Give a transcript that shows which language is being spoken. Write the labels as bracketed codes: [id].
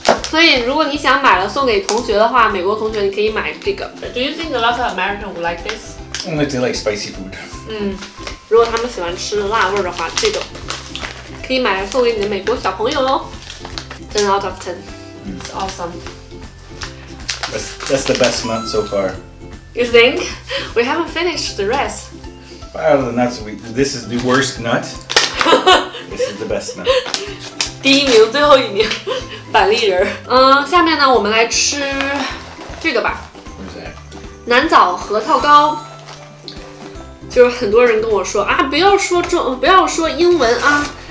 [zh] 所以如果你想买了送给同学的话，美国同学你可以买这个。 [en] Do you think a lot of Americans would like this? Only they like spicy food. [zh] 如果他们喜欢吃辣味的话，这个可以买来送给你的美国小朋友哦。 [en] 10 out of 10. It's awesome. That's the best month so far. You think? We haven't finished the rest. Well, the nuts, this is the worst nut. This is the best nut. [zh] 第一名，最后一名，板栗仁。嗯，下面呢，我们来吃这个吧。南枣核桃糕，就是很多人跟我说啊，不要说中，不要说英文啊。